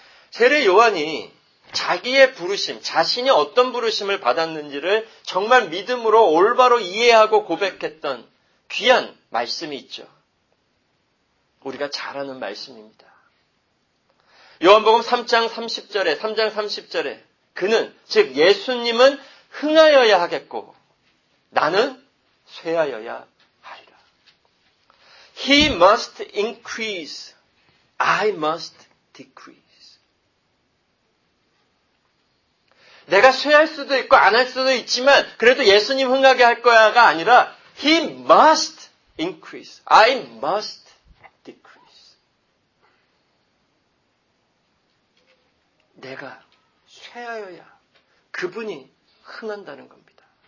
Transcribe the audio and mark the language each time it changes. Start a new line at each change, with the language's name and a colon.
Korean: 세례 요한이 자기의 부르심, 자신이 어떤 부르심을 받았는지를 정말 믿음으로 올바로 이해하고 고백했던 귀한 말씀이 있죠. 우리가 잘 아는 말씀입니다. 요한복음 3장 30절에 그는, 즉 예수님은 흥하여야 하겠고 나는 쇠하여야 하리라.
English: He must increase, I must decrease.
Korean: 내가 쇠할 수도 있고 안 할 수도 있지만 그래도 예수님 흥하게 할 거야가 아니라
English: He must increase. I must decrease.
Korean: 내가 쇠하여야 그분이 흥한다는 겁니다.